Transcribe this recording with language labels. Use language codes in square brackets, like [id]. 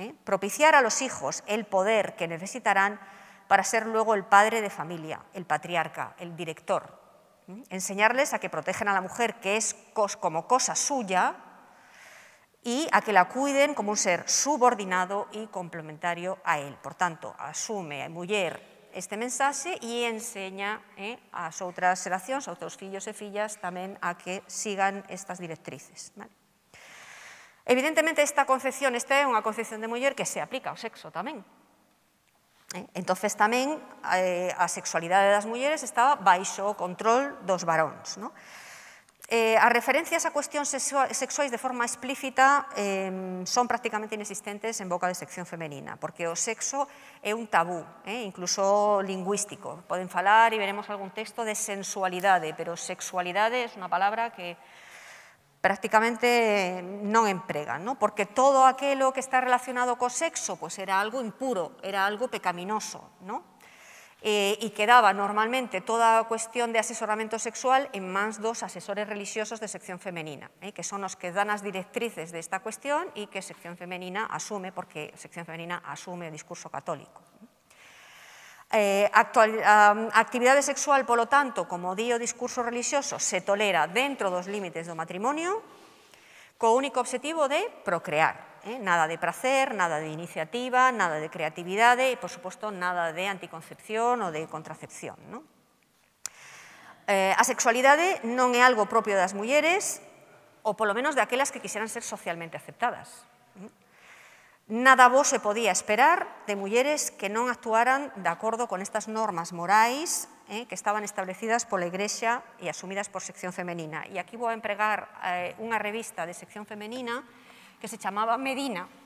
[es] Propiciar a los hijos el poder que necesitarán para ser luego el padre de familia, el patriarca, el director. Enseñarles a que protegen a la mujer, que es como cosa suya, y a que la cuiden como un ser subordinado y complementario a él. [gl] Por tanto, asume a muller este mensaje y enseña a as outras xeracións, a outros fillos e fillas, tamén a que sigan estas directrices. ¿Vale? Evidentemente, esta é unha concepción de muller que se aplica ao sexo tamén. Entonces tamén a sexualidade das mulleres estaba baixo o control dos varóns, ¿no? As referencias a cuestións sexuais de forma explícita son prácticamente inexistentes en boca de sección femenina, porque o sexo é un tabú, incluso lingüístico. Poden falar, e veremos algún texto, de sensualidade, pero sexualidade é unha palabra que prácticamente non empregan, ¿no? Porque todo aquilo que está relacionado co sexo pues era algo impuro, era algo pecaminoso, ¿no? E quedaba normalmente toda a cuestión de asesoramento sexual en mans dos asesores religiosos de sección femenina, que son os que dan as directrices desta cuestión e que sección femenina asume, porque sección femenina asume o discurso católico. Actividade sexual, polo tanto, como di o discurso religioso, se tolera dentro dos límites do matrimonio co único objetivo de procrear. Nada de prazer, nada de iniciativa, nada de creatividade e, por suposto, nada de anticoncepción ou de contracepción. ¿No? A sexualidade non é algo propio das mulleres ou, polo menos, de aquelas que quixeran ser socialmente aceptadas. Nada bo se podía esperar de mulleres que non actuaran de acordo con estas normas morais que estaban establecidas pola Igrexa e asumidas por sección femenina. E aquí vou a empregar unha revista de sección femenina que se chamaba Medina,